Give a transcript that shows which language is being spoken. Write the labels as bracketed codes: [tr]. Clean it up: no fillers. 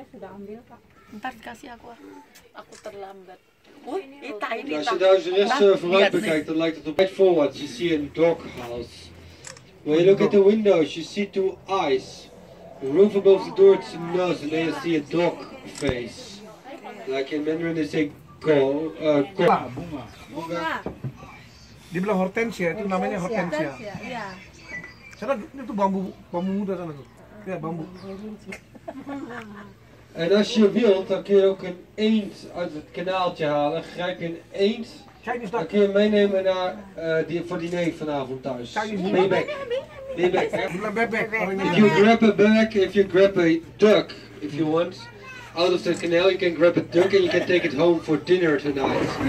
[id] Ntar dikasih aku terlambat. Oh, ita ini. [nl] Als je daar zo rustig vooruit bekijkt, dan lijkt het op [en] right forward. You see a doghouse. When you look at the windows, you see two eyes. The roof above the door is a nose, and then you see a dog face. Like in Mandarin, they say go. [id] Bunga. Bunga. Dibilang hortensia, itu namanya hortensia. Iya. Sana itu bambu muda sana tuh. Ya bambu. [nl] En als je wilt, dan kun je ook een eend uit het kanaaltje halen. Grijp je een eend, dan kun je hem meenemen naar, voor diner vanavond thuis. [id] Bebek. Bebek. [en] If you grab a bebek, if you grab a duck, if you want, out of the canal, you can grab a duck and you can take it home for dinner tonight.